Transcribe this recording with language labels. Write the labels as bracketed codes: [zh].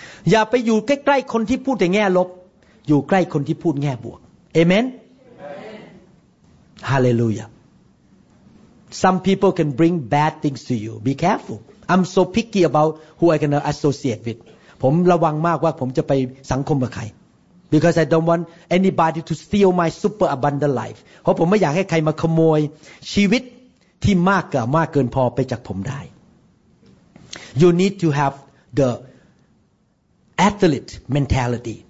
[th] อย่าไปอยู่ใกล้ๆคนที่พูดแต่แง่ลบอยู่ใกล้คนที่พูดแง่บวกเอเมน [en] ฮาเลลูยา Some people can bring bad things to you be careful I'm so picky about who I can associate with [th] ผมระวังมากว่าผมจะไปสังคมกับใคร [en] because I don't want anybody to steal my super abundant life [th] เพราะผมไม่อยากให้ใครมาขโมยชีวิตที่มากกว่ามากเกินพอไปจากผมได้ [en] You need to have theAthlete mentality.